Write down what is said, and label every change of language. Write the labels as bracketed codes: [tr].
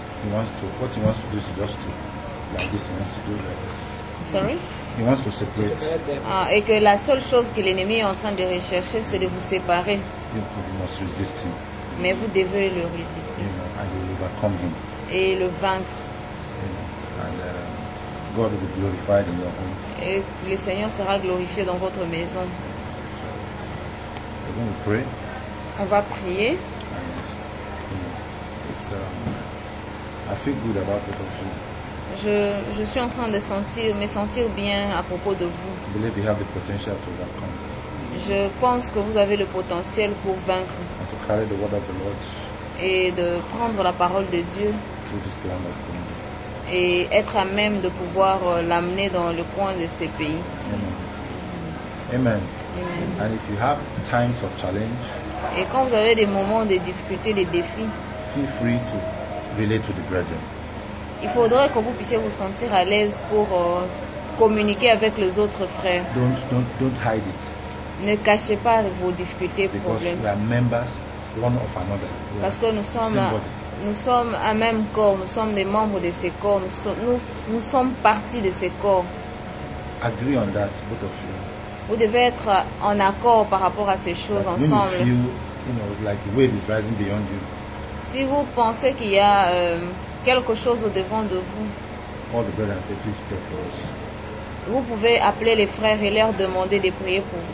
[en] What he wants to do is just to like this. He wants to do like this. Sorry. He wants to separate. [fr] Et que la seule chose que l'ennemi est en train de rechercher, c'est de vous séparer. [en] You must resist him. [fr] Mais vous devez le résister. [en] You know, and you will overcome him. [fr] Et le vaincre. [en] You know, and God will be glorified in your home. [fr] Et le Seigneur sera glorifié dans votre maison. [en] We're going to pray. [fr] On va prier. [en] And, you know, I feel good about it. [fr] Je suis en train de me sentir bien à propos de vous. [en] I believe you have the potential to overcome. [fr] Je pense que vous avez le potentiel pour vaincre. [en] And to carry the word of the Lord. [fr] Et de prendre la parole de Dieu. [en] Through this land of God. [fr] Et être à même de pouvoir l'amener dans le coin de ces pays. [en] Amen. [fr] Amen. [en] And if you have times of challenge, [fr] et quand vous avez des moments de difficulté, des défis, [en] feel free to relate to the brethren. [fr] Il faudrait que vous puissiez vous sentir à l'aise pour communiquer avec les autres frères. [en] Don't hide it. [fr] Ne cachez pas vos difficultés, [en] because [fr] problèmes. [en] We are members one of another. [fr] Parce que nous sommes un même corps, nous sommes des membres de ce corps, nous sommes partie de ce corps. [en] Agree on that, both of you. [fr] Vous devez être en accord par rapport à ces choses [en] that [fr] ensemble. [en] When you feel, you know, like the wave is rising beyond you. [fr] Si vous pensez qu'il y a quelque chose au devant de vous, [en] all the brothers say, please pray for us. [fr] Vous pouvez appeler les frères et leur demander de prier pour vous.